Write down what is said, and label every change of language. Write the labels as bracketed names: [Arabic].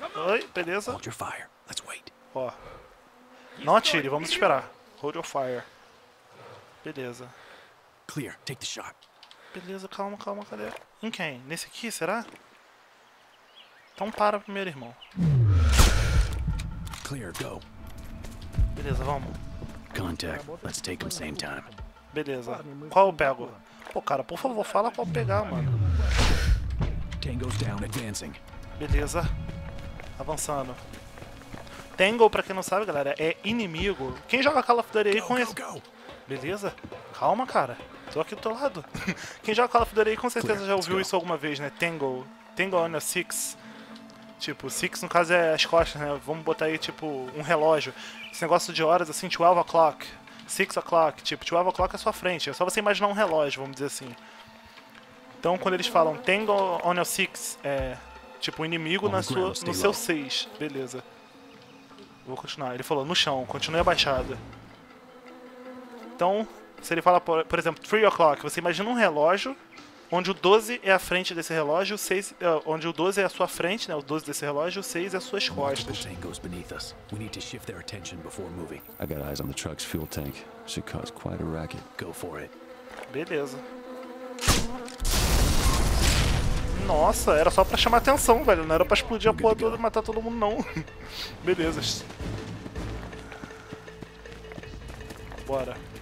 [Portuguese] Oi, beleza? [English] Hold your fire. Let's wait. [Portuguese] Ó. Não atire, vamos esperar. [English] Hold your fire. [Portuguese] Beleza. [English] Clear, take the shot. [Portuguese] Beleza, calma, calma, cadê? Em quem? Nesse aqui, será? Então para primeiro, irmão. [English] Clear, go. [Portuguese] Beleza, vamos. [English] Contact, let's take him same time. [Portuguese] Beleza. Qual eu pego? Pô, cara, por favor, fala qual pegar, mano. [English] Tango's down, advancing. [Portuguese] Beleza. Avançando. Tango, pra quem não sabe, galera, é inimigo. Quem joga Call of Duty aí conhece. Beleza? Calma, cara. Tô aqui do teu lado. Quem joga Call of Duty aí com certeza já ouviu isso alguma vez, né? Tango. [English] Tango on a six. [Portuguese] Tipo, six no caso é as costas, né? Vamos botar aí, tipo, um relógio. Esse negócio de horas, assim, 12 o'clock. 6 o'clock, tipo, 12 o'clock é a sua frente. É só você imaginar um relógio, vamos dizer assim. Então, quando eles falam [English] Tango on your 6, [Portuguese] é tipo, o inimigo na sua, no seu 6. Beleza. Vou continuar. Ele falou, no chão, continue abaixada. Então, se ele fala, por exemplo, 3 o'clock, você imagina um relógio onde o 12 é a frente desse relógio, onde o 12 é a sua frente, né? O 12 desse relógio, o 6 é as suas costas. [English] Tangos beneath us. We need to shift their attention before moving. I got eyes on the truck's fuel tank. Should cause quite a racket. Go for it. [Portuguese] Beleza. Nossa, era só pra chamar atenção, velho. Não era pra explodir a porra toda e matar todo mundo, não. Beleza. Bora.